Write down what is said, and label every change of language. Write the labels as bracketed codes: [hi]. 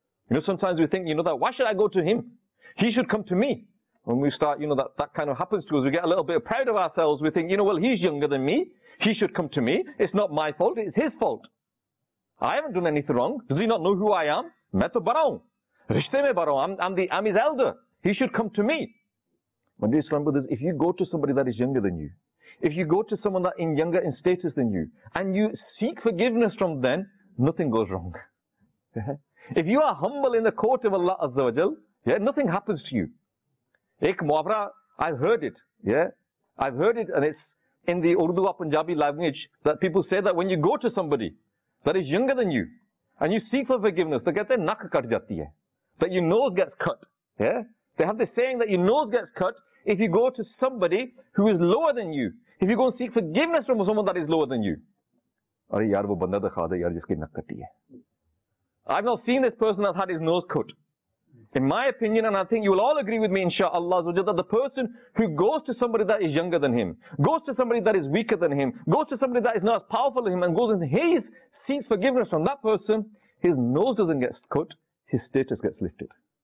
[en] You know, sometimes we think, you know, that why should I go to him? He should come to me. When we start, you know, that kind of happens to us, we get a little bit proud of ourselves. We think, you know, well, he's younger than me. He should come to me. It's not my fault. It's his fault. I haven't done anything wrong. Does he not know who I am? [ur] میں تو بڑا ہوں. رشتے میں بڑا ہوں. [en] I'm his elder. He should come to me. My dear Islam brothers, if you go to somebody that is younger than you, if you go to someone that is younger in status than you, and you seek forgiveness from them, nothing goes wrong. If you are humble in the court of Allah Azza wa Jal, yeah, nothing happens to you. [ur] Ek muhavra, [en] I've heard it, yeah? I've heard it, and it's in the Urdu or Punjabi language that people say that when you go to somebody that is younger than you and you seek for forgiveness, they get their [ur] nak kat jati hai, [en] that your nose gets cut, yeah? They have this saying that your nose gets cut if you go to somebody who is lower than you, if you go and seek forgiveness from someone that is lower than you. [ur] ارے یار, وہ بندہ دکھا دے یار جسکی نک کٹی ہے. [en] I've not seen this person that had his nose cut. In my opinion, and I think you will all agree with me, inshaAllah, that the person who goes to somebody that is younger than him, goes to somebody that is weaker than him, goes to somebody that is not as powerful as him, and goes and he seeks forgiveness from that person, his nose doesn't get cut, his status gets lifted.